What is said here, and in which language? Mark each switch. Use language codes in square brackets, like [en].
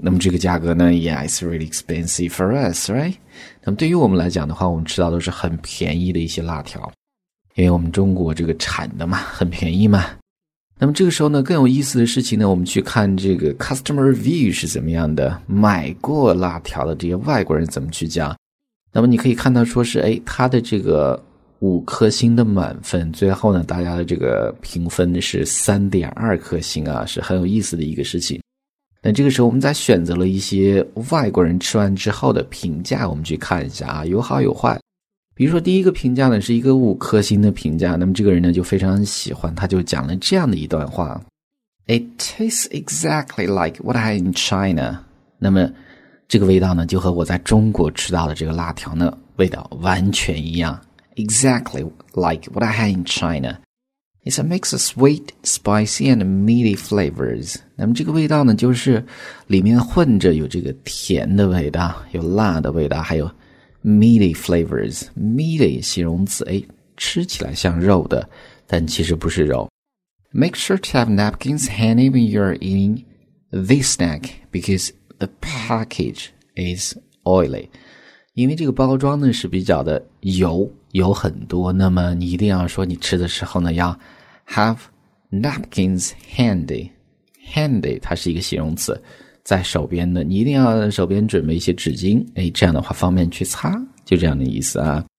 [zh] 那么这个价格呢， [en] yeah, it's really expensive for us, right? [zh] 那么对于我们来讲的话，我们吃到都是很便宜的一些辣条，因为我们中国这个产的嘛，很便宜嘛。那么这个时候呢，更有意思的事情呢，我们去看这个 customer review 是怎么样的，买过辣条的这些外国人怎么去讲。那么你可以看到说是，哎，他的这个5颗星的满分，最后呢，大家的这个评分是3.2颗星啊，是很有意思的一个事情。那这个时候我们在选择了一些外国人吃完之后的评价，我们去看一下啊，有好有坏。比如说第一个评价呢，是一个5颗星的评价，那么这个人呢就非常喜欢，他就讲了这样的一段话 ： [en] It tastes exactly like what I had in China。 [zh] 那么这个味道呢，就和我在中国吃到的这个辣条呢味道完全一样。 [en] Exactly like what I had in China. It's a mix of sweet, spicy, and meaty flavors. [zh] 那么这个味道呢，就是里面混着有这个甜的味道，有辣的味道，还有 meaty flavors. Meaty 形容词，哎，吃起来像肉的，但其实不是肉。 [en] Make sure to have napkins handy when you're eating this snack because the package is oily. [zh] 因为这个包装呢是比较的油。有很多，那么你一定要说你吃的时候呢要 [en] have napkins handy， [zh] handy 它是一个形容词，在手边的，你一定要手边准备一些纸巾，哎，这样的话方便去擦，就这样的意思啊。